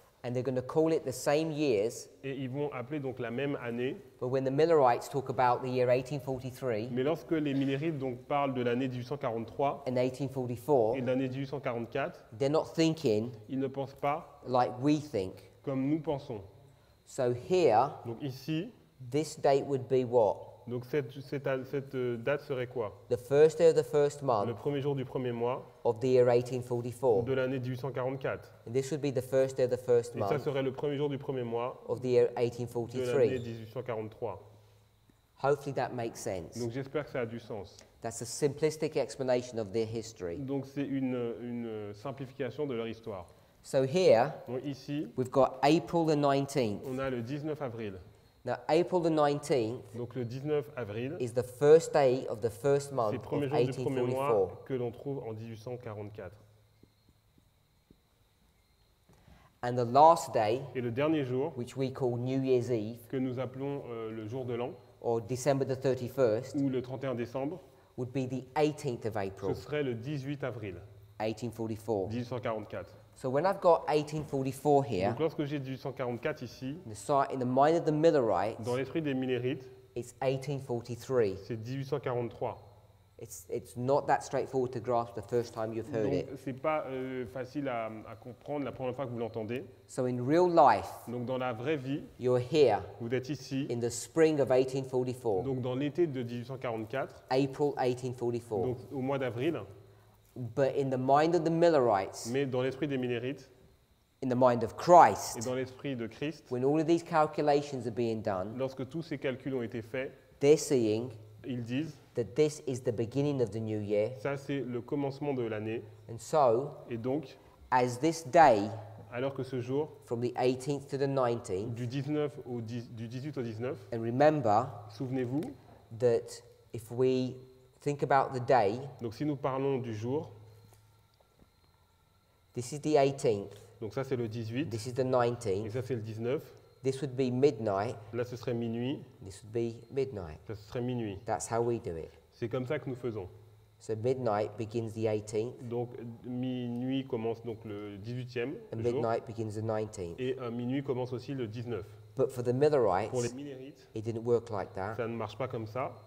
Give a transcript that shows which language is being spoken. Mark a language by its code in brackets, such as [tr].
[en] And they're going to call it the same years. [fr] Et ils vont appeler donc la même année. [en] But when the Millerites talk about the year 1843. [fr] Mais lorsque les Millerites donc parlent de l'année 1843. [en] And 1844. [fr] Et de l'année 1844. [en] They're not thinking. [fr] Ils ne pensent pas. [en] Like we think. [fr] Comme nous pensons. [en] So here. [fr] Donc ici. [en] This date would be what? [fr] Donc cette date serait quoi? [en] The first day of the first month. [fr] Le premier jour du premier mois. [en] Of the year 1844. [fr] De l'année 1844. [en] And this would be the first day of the first month. [fr] Et ça serait le premier jour du premier mois. [en] Of the year 1843. [fr] De l'année 1843. [en] Hopefully that makes sense. [fr] Donc j'espère que ça a du sens. [en] That's a simplistic explanation of their history. [fr] Donc c'est une simplification de leur histoire. [en] So here. [fr] Donc ici. [en] We've got April the 19th. [fr] On a le 19 avril. [en] Now April the 19th. [fr] Donc le 19 avril. [en] Is the first day of the first month of 1844. [fr] C'est le premier jour du premier mois que l'on trouve en 1844. [en] And the last day. [fr] Et le dernier jour. [en] Which we call New Year's Eve. [fr] Que nous appelons le jour de l'an. [en] Or December the 31st. [fr] Ou le 31 décembre. [en] Would be the 18th of April. [fr] Ce serait le 18 avril. [en] 1844. [fr] 1844. [en] So when I've got 1844 here, [fr] donc lorsque j'ai 1844 ici, [en] the start in the mind of the Millerites, [fr] dans l'esprit des Millerites, [en] it's 1843. [fr] C'est 1843. [en] It's not that straightforward to grasp the first time you've heard [fr] donc, [en] it. [fr] Donc c'est pas facile à comprendre la première fois que vous l'entendez. [en] So in real life, [fr] donc dans la vraie vie, [en] you're here. [fr] Vous êtes ici. [en] In the spring of 1844. [fr] Donc dans l'été de 1844. [en] April 1844. [fr] Donc au mois d'avril. [en] But in the mind of the Millerites, [fr] mais dans l'esprit des Millerites, [en] in the mind of Christ, [fr] et dans l'esprit de Christ, [en] when all of these calculations are being done, [fr] lorsque tous ces calculs ont été faits, [en] they're seeing [fr] ils disent [en] that this is the beginning of the new year. [fr] Ça, c'est le commencement de l'année. [en] And so, [fr] et donc, [en] as this day, [fr] alors que ce jour, [en] from the 18th to the 19th, [fr] du 18 au 19, [en] and remember, [fr] souvenez-vous, [en] that if we think about the day, [fr] donc si nous parlons du jour, [en] this is the 18th, [fr] donc ça c'est le 18, [en] this is the 19th, [fr] et ça c'est le 19, [en] this would be midnight, [fr] là ce serait minuit, [en] this would be midnight, [fr] ça ce serait minuit, [en] that's how we do it. [fr] C'est comme ça que nous faisons. [en] So midnight begins the 18th. [fr] Donc minuit commence donc le 18e [en] and [fr] jour. [en] Midnight begins the 19th. [fr] Et minuit commence aussi le 19. [en] But for the Millerites, [fr] pour les Millerites, [en] it didn't work like that. [fr] Ça ne marche pas comme ça.